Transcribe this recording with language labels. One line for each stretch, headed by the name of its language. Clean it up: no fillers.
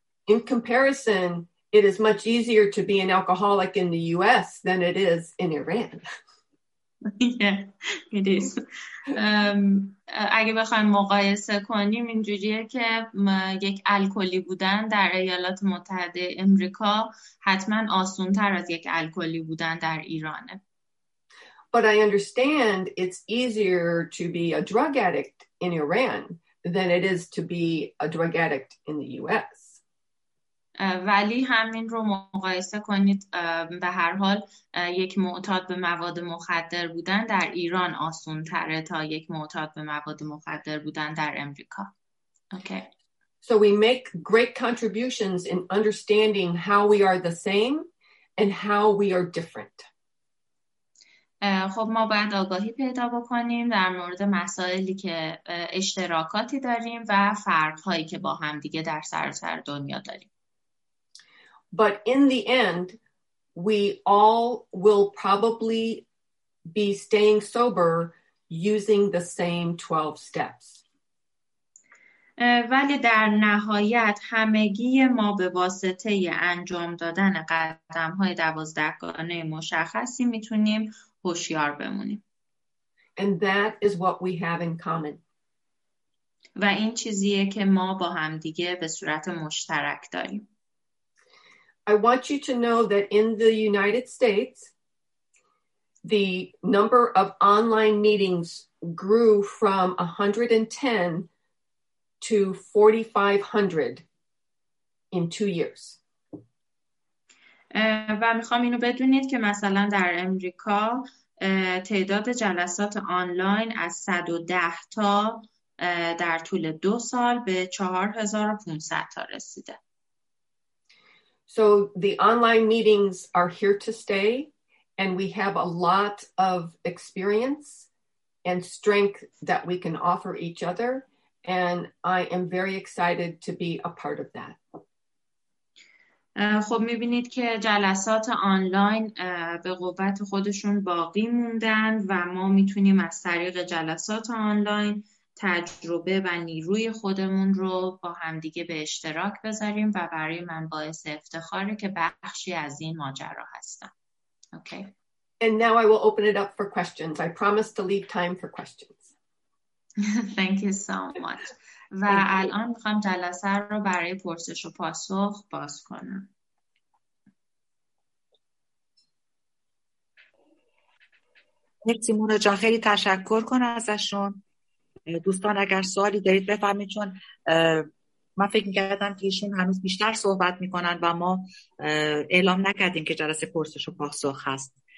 English: In comparison, it is much easier to be an alcoholic in the US than it is in Iran. Yeah, it is.
Persian: اگه بخوایم مقایسه کنیم اینجوریه که یک الکلی بودن در ایالات متحده امریکا حتما آسون تر از یک الکلی بودن در ایرانه.
English: But I understand it's easier to be a drug addict in Iran than it is to be a drug addict in the US.
Persian: ولی همین رو مقایسه کنید به هر حال یک معتاد به مواد مخدر بودن در ایران آسان تره تا یک معتاد به مواد مخدر بودن در امریکا.
English: Okay. So we make great contributions in understanding how we are the same and how we are different.
Persian: خب ما باید آگاهی پیدا بکنیم در مورد مسائلی که اشتراکاتی داریم و فرقهایی که با هم دیگه در سراسر دنیا داریم.
English: But in the end, we all will probably be staying sober using the same 12 steps.
Persian: ولی در نهایت همگی ما به واسطه انجام دادن قدم‌های 12 گانه مشخصی میتونیم هوشیار بمونیم.
English: And that is what we have in common.
Persian: و این چیزیه که ما با هم دیگه به صورت مشترک داریم.
English: I want you to know that in the United States, the number of online meetings grew from 110 to 4,500 in 2 years.
Persian: و میخوام اینو بدونید که مثلا در امریکا تعداد جلسات آنلاین از 110 تا در طول 2 سال به 4,500 تا رسیده.
English: So the online meetings are here to stay, and we have a lot of experience and strength that we can offer each other, and I am very excited to be a part of that.
Persian: خب می‌بینید که جلسات آنلاین به قوت خودشون باقی موندن و ما می‌تونیم از طریق جلسات آنلاین تجربه و نیروی خودمون رو با همدیگه به اشتراک بذاریم و برای من باعث افتخاره که بخشی از این ماجرا هستم.
English: Okay. And now I will open it up for questions. I promise to leave time for questions. Thank you so much.
Persian: و الان میخوام جلسه رو برای پرسش و پاسخ باز کنم. مرسی مونا جان، خیلی تشکر کنم ازشون. دوستان اگر سوالی دارید بفرمایید، چون من فکر می‌کردم که ایشون هنوز بیشتر صحبت می‌کنن و ما اعلام نکردیم که جلسه پرسش و پاسخ هست.